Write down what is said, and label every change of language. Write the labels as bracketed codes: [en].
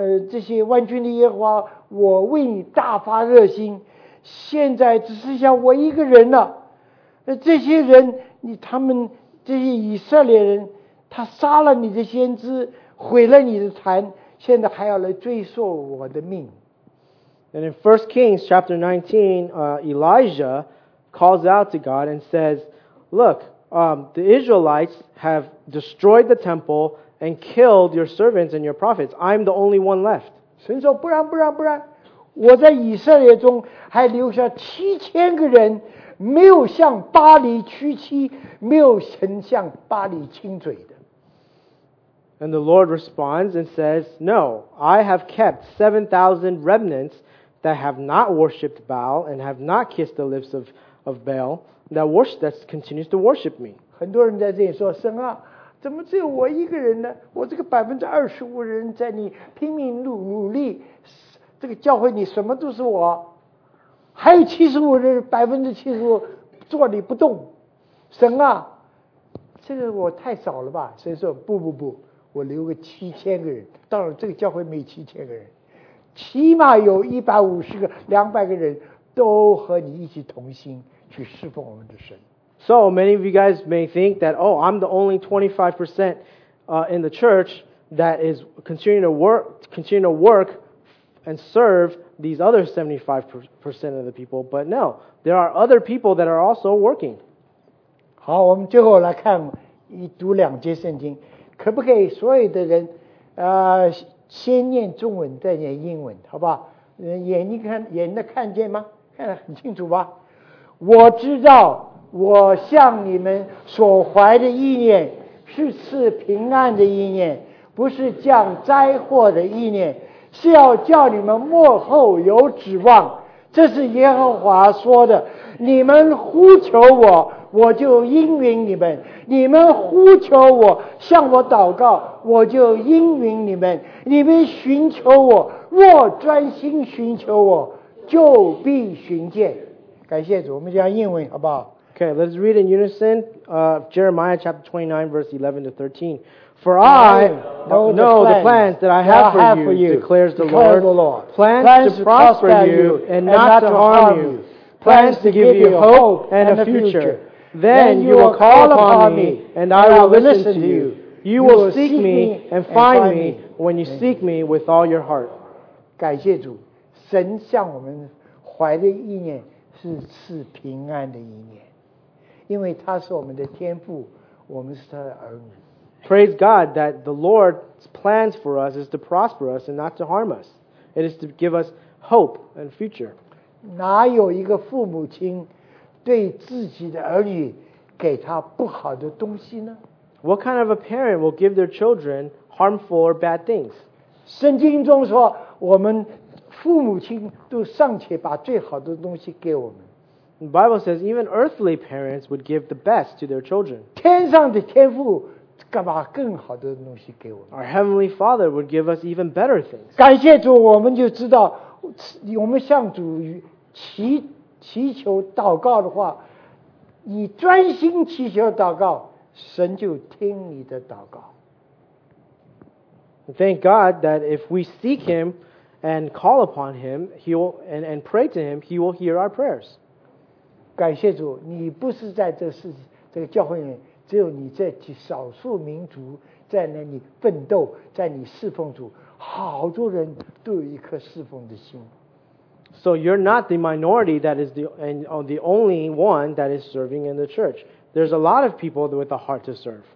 [zh] 这些万军的耶和华，我为你大发热心，现在只剩下我一个人了。这些人，他们这些以色列人，他杀了你的先知，毁了你的坛，现在还要来追索我的命。 [en] And in 1 Kings chapter 19, Elijah calls out to God and says, "Look, the Israelites have destroyed the temple." And killed your servants and your prophets. I'm the only one left. [zh] 神说不然不然不然，我在以色列中还留下7000个人，没有向巴黎屈膝，没有曾向巴黎亲嘴的。 [en] And the Lord responds and says, No, I have kept 7,000 remnants that have not worshipped Baal and have not kissed the lips of Baal that continues to worship me. [zh] 很多人在这里说神啊。怎么只有我一个人呢？我这个25%人在你拼命努力，这个教会你什么都是我，还有75%的75%坐立不动。神啊，这个我太少了吧？神说不不不，我留个7000个人。当然这个教会没7000个人，起码有150个、200个人都和你一起同心去侍奉我们的神。 [en] So many of you guys may think that, oh, I'm the only 25% in the church that is continuing to work and serve these other 75% of the people. But no, there are other people that are also working. [zh] 好，我们最后来看一读两节圣经，可不可以所有的人，先念中文再念英文，好吧？眼睛看见吗？看得很清楚吧？我知道。我向你们所怀的意念是赐平安的意念，不是降灾祸的意念，是要叫你们末后有指望。这是耶和华说的。你们呼求我，我就应允你们；你们呼求我，向我祷告，我就应允你们。你们寻求我，若专心寻求我，就必寻见。感谢主，我们讲英文好不好？ [en] Okay, let's read in unison Jeremiah chapter 29, verse 11 to 13. For I know the plans that I have for you, declares the Lord. Plans to prosper you and not to harm you. Plans to give you hope and a future. Then you will call upon me and I will listen to you. You will seek me and find me when you seek me with all your heart. [zh] 感谢主，神向我们怀的意念是赐平安的意念。因为他是我们的天父，我们是他的儿女。 [en] Praise God that the Lord's plans for us is to prosper us and not to harm us. It is to give us hope and future. [zh] 哪有一个父母亲对自己的儿女给他不好的东西呢？ [en] What kind of a parent will give their children harmful or bad things? [zh] 圣经中说，我们父母亲都尚且把最好的东西给我们。 [en] The Bible says even earthly parents would give the best to their children. [zh] 天上的天父干嘛更好的东西给我们？ [en] Our Heavenly Father would give us even better things. [zh] 感谢主，我们就知道，我们向主祈求祷告的话，你专心祈求祷告，神就听你的祷告。 [en] Thank God that if we seek Him and call upon Him, He will and pray to Him, He will hear our prayers. [zh] 感谢主，你不是在这个教会里，只有你这少数民族在那里奋斗，在你侍奉主，好多人都有一颗侍奉的心。 [en] So you're not the minority that is the only one that is serving in the church. There's a lot of people with a heart to serve.